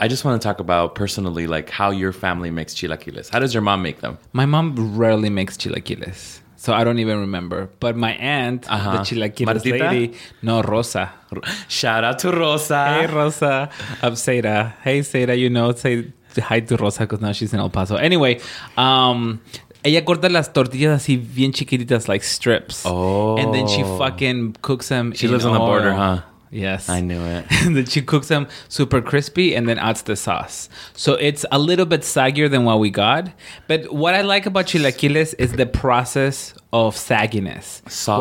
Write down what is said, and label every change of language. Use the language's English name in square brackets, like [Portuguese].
[English] I just want to talk about, personally, like, how your family makes chilaquiles. How does your mom make them? My mom rarely makes chilaquiles. So I don't even remember. But my aunt, the chilaquiles Martita? Lady... No, Rosa. Shout out to Rosa. Hey, Rosa. I'm Seira. Hey, Seira. You know, say hi to Rosa because now she's in El Paso. Anyway, [Spanish] ella corta las tortillas así bien chiquititas, [English] like strips. Oh. And then she fucking cooks them She in lives oil. On the border, huh? Yes. I knew it. And then she cooks them super crispy and then adds the sauce. So it's a little bit saggier than what we got. But what I like about chilaquiles is the process of sagginess. Soggy.